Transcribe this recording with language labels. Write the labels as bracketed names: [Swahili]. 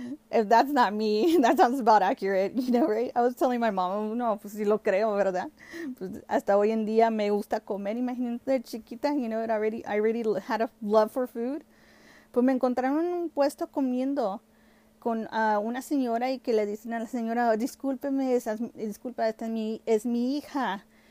[English] If that's not me, that sounds about accurate, you know, right? I was telling my mom, [Spanish] no, pues sí lo creo, ¿verdad? Pues hasta hoy en día me gusta comer. Imagínate, chiquita, [English] you know, I already had a love for food. [Spanish] Pues me encontraron en un puesto comiendo con una señora y que le dicen a la señora, discúlpeme, disculpa, esta es mi hija.